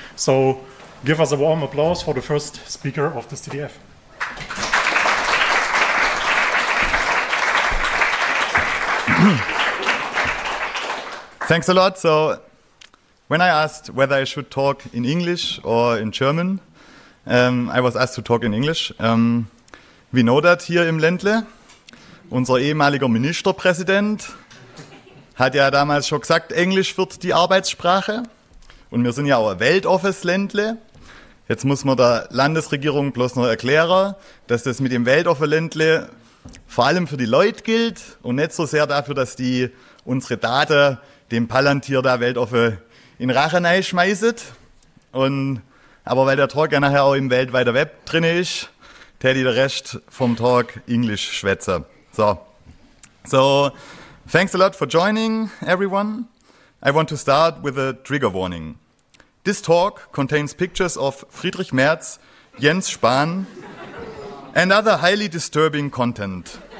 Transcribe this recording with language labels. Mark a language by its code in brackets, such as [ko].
[en] So give us a warm applause for the first speaker of this TDF. Thanks a lot. So when I asked whether I should talk in English or in German, I was asked to talk in English. We know that here [de] im Ländle, unser ehemaliger Ministerpräsident hat ja damals schon gesagt, Englisch wird die Arbeitssprache. Und wir sind ja auch ein weltoffenes Ländle. Jetzt muss man der Landesregierung bloß noch erklären, dass das mit dem weltoffenen Ländle vor allem für die Leute gilt und nicht so sehr dafür, dass die unsere Daten dem Palantir da weltoffen in Rachen einschmeißet. Und, aber weil der Talk ja nachher auch im weltweiten Web drin ist, täte ich den Rest vom Talk Englisch schwätzen. [en] So, thanks a lot for joining, everyone. I want to start with a trigger warning. This talk contains pictures of Friedrich Merz, Jens Spahn and other highly disturbing content.